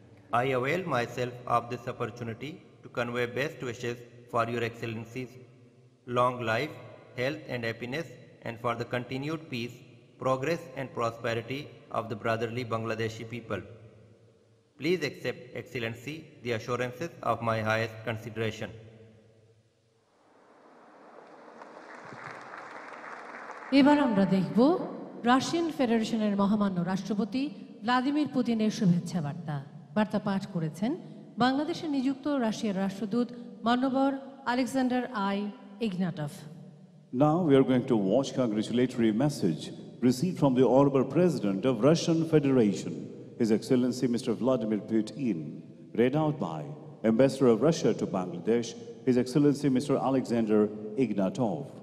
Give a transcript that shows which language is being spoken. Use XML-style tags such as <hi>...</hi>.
<en>I avail myself of this opportunity to convey best wishes for Your Excellency's long life, health and happiness, and for the continued peace, progress and prosperity of the brotherly Bangladeshi people. Please accept, Excellency, the assurances of my highest consideration.</en> <bn>এবার আমরা দেখব Russian ফেডারেশনের মহামান্য রাষ্ট্রপতি Vladimir পুতিনের শুভেচ্ছা বার্তা। বার্তা পাঠ করেছেন বাংলাদেশে নিযুক্ত রাশিয়ার রাষ্ট্রদূত মাননীয় Alexander I ইগনাটভ।</bn> <en>Now we are going to watch congratulatory message received from the Honorable President of Russian Federation, His Excellency Mr. Vladimir Putin, read out by Ambassador of Russia to Bangladesh, His Excellency Mr. Alexander Ignatov.</en>